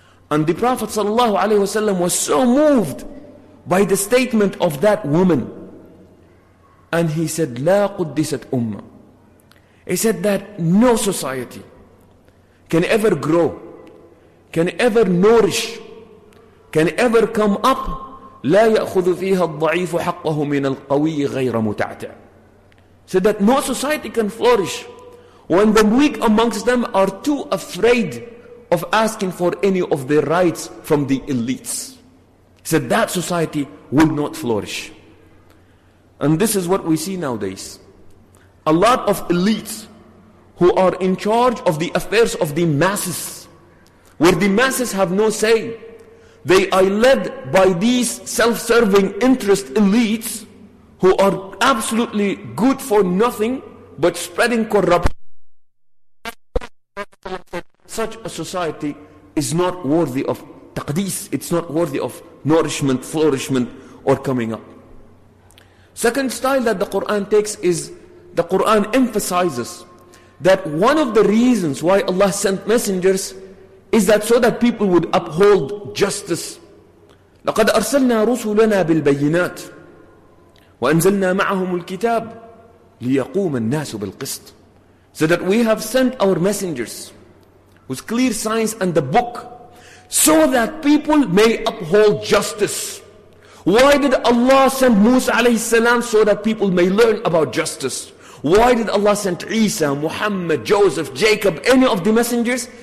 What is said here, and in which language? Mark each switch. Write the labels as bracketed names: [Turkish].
[English] And the Prophet sallallahu alaihi wasallam was so moved by the statement of that woman. And he said, [Arabic] "La quddisat ummah." [English] He said that no society can ever grow, can ever nourish, can ever come up. [Arabic] لا يأخذ فيها الضعيف حقه من القوي غير متعتع. [English] Said that no society can flourish when the weak amongst them are too afraid of asking for any of their rights from the elites. Said that society will not flourish. And this is what we see nowadays. A lot of elites who are in charge of the affairs of the masses, where the masses have no say, they are led by these self-serving interest elites who are absolutely good for nothing but spreading corruption. Such a society is not worthy of taqdis. It's not worthy of nourishment, flourishment, or coming up. Second style that the Quran takes is, the Quran emphasizes that one of the reasons why Allah sent messengers Is that so that people would uphold justice? [Arabic] لقد أرسلنا رسلنا بالبينات وأنزلنا معهم الكتاب ليقوم الناس بالقسط. [English] So that we have sent our messengers with clear signs and the book so that people may uphold justice. Why did Allah send Musa alayhi salam so that people may learn about justice? Why did Allah send Isa, Muhammad, Joseph, Jacob, any of the messengers?